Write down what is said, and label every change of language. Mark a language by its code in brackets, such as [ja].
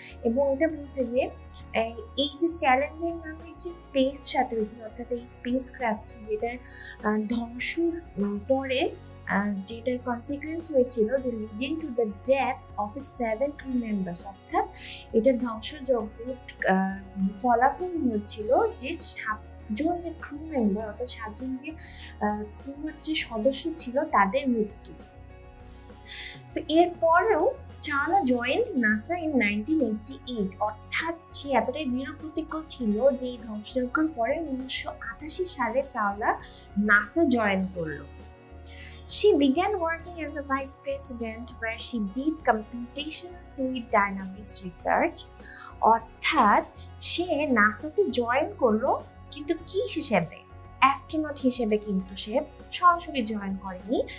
[bn] এবং এটা বলছে যে এই যে চ্যালেঞ্জের নামে যে স্পেস শাটল, অর্থাৎ এই স্পেস ক্রাফট যেটার ধ্বংসর পরে যেটার কনসিকুয়েন্স হয়েছিল যে [en] leading to the deaths of its 7 crew members, [bn] অর্থাৎ এটার ধ্বংসযজ্ঞের ফলাফল হয়েছিল যে সাতজন যে ক্রু মেম্বার অর্থাৎ সাতজন যে ক্রুর যে সদস্য ছিল তাদের মৃত্যু। তো এরপরেও চাওলা [en] joined NASA in 1988, [bn] অর্থাৎ সে এতটাই দৃঢ় প্রতিজ্ঞ ছিল যে এই ধ্বংসযজ্ঞের পরে 1988 সালে চাওলা নাসা জয়েন করলো। [en] She began working as a vice president where she did computational fluid dynamics research. [bn] অর্থাৎ সে নাসাতে জয়েন করলো কিন্তু কি হিসেবে? অ্যাস্ট্রোনট হিসেবে কিন্তু সে সরাসরি জয়েন করেনি।